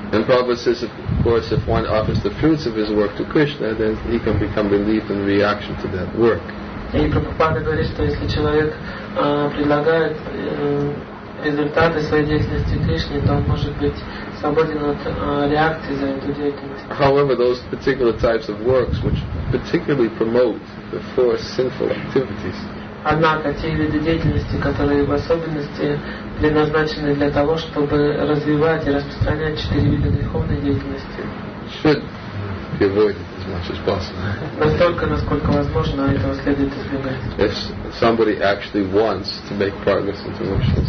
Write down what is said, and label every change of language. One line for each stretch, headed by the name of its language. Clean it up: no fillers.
English: And Prabhupada says, of course, if one offers the fruits of his work to Krishna, then he can become relieved in reaction to that work.
Russian: И Прабхупада говорит, что если человек предлагает результаты своей деятельности Кришне, то он может быть свободен от реакции за эту деятельность.
English: However, those particular types of works which particularly promote the four sinful activities.
Russian: Однако те виды деятельности, которые в особенности предназначены для того, чтобы развивать и распространять четыре вида духовной деятельности, настолько, насколько возможно, этого следует избегать.
English: If somebody actually wants to make progress in devotional service,